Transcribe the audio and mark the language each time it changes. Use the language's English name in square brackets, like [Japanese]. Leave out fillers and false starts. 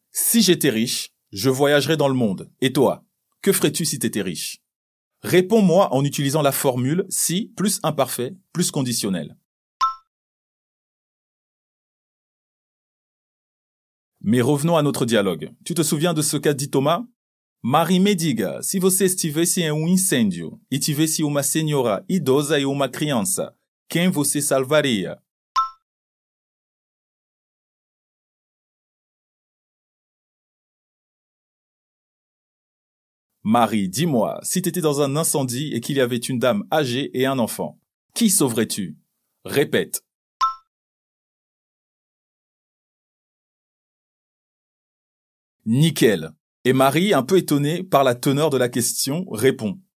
[French] Si j'étais riche, je voyagerais dans le monde. Et toi ? Que ferais-tu si t'étais riche ? Réponds-moi en utilisant la formule « si » plus « imparfait » plus « conditionnel ». Mais revenons à notre dialogue. Tu te souviens de ce qu'a dit Thomas ? [Portuguese] « Marie me diga, si você estivesse em incêndio, e tivesse uma senhora idosa e uma criança, quem você salvaria ?» [French] Marie, dis-moi, si t'étais dans un incendie et qu'il y avait une dame âgée et un enfant, qui sauverais-tu ? Répète. Nickel. Et Marie, un peu étonnée par la teneur de la question, répond.